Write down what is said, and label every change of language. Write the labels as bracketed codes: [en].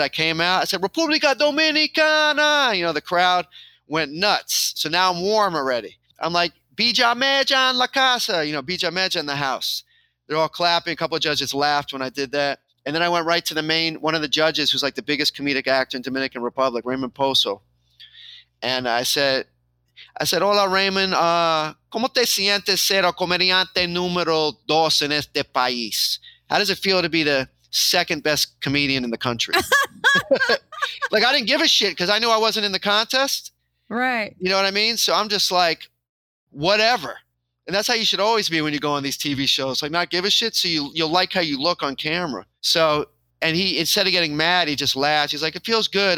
[en] I came out, I said, Republica Dominicana, you know, the crowd went nuts. So now I'm warm already. I'm like, Bija Meja [es] en la casa, [en] you know, Bija Meja in the house. They're all clapping. A couple of judges laughed when I did that. And then I went right to the main, one of the judges who's like the biggest comedic actor in Dominican Republic, Raymond Pozo. And I said, hola, Raymond. [es] ¿Cómo te sientes ser el comediante número dos en este país? [en] How does it feel to be the second best comedian in the country? Like, I didn't give a shit because I knew I wasn't in the contest. Right. You know what I mean? So I'm just like, whatever. And that's how you should always be when you go on these TV shows. Like, not give a shit so you'll like how you look on camera. So, and he, instead of getting mad, he just laughs. He's like, it feels good.